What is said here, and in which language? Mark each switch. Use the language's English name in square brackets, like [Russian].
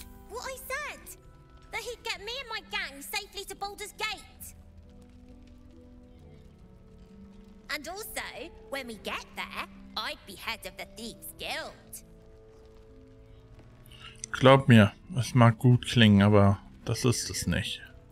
[German] Was ich gesagt habe, dass er mich und meine Gang [English] safely to Baldur's Gate. And also, when we get there, I'd be head of the Thieves Guild. [German] Glaub mir, es mag gut klingen, aber das ist es nicht.